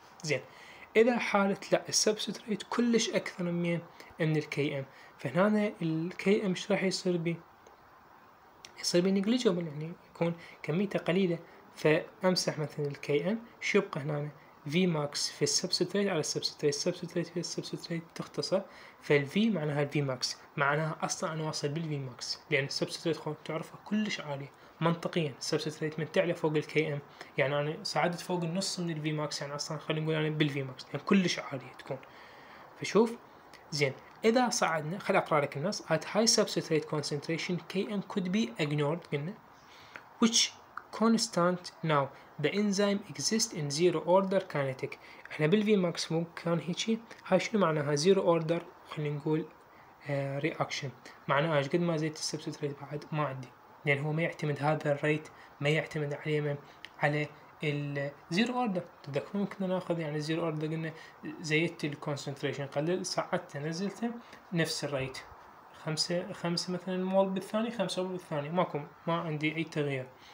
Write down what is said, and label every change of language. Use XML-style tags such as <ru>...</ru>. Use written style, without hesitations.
<ar>زين، اذا حاله لا السبستريت كلش اكثر من الكي ام، فهنا الكي ام ايش راح يصير بي؟ يصير بي نيجليجبل، يعني يكون كميته قليله، فامسح مثلا الكي ام، شو يبقى هنا؟ في ماكس في السبستريت على السبستريت، السبستريت في السبستريت تختصر، فالفي معناها الفي ماكس، معناها اصلا انا واصل بالفي ماكس، لان السبستريت تعرفها كلش عاليه، منطقيا السبستريت من تعلى فوق الكي ام، يعني انا صعدت فوق النص من الفي ماكس، يعني اصلا خلينا نقول انا بالفي ماكس، يعني كلش عاليه تكون. فشوف زين، اذا صعدنا خل اقرا لك النص،</ar> <en>at high substrate concentration KM could be ignored</en> <ar>قلنا</ar> <en>which constant now the enzyme exists in zero order kinetic.</en> <ar>احنا بالفي ماكس مو كان هيجي، هاي شنو معناها zero order؟ خلينا نقول reaction، معناها ايش قد ما زيت السبستريت بعد ما عندي، لان يعني هو ما يعتمد هذا الريت، ما يعتمد عليه على الزيرو اوردر، تذكرون كنا ناخذ يعني زيرو اوردر، قلنا زيدت الكونسنتريشن قلل، صعدت نزلت نفس الريت، خمسة خمسة مثلا مول بالثاني، خمسة مول بالثاني، ماكو ما عندي اي تغيير.</ar>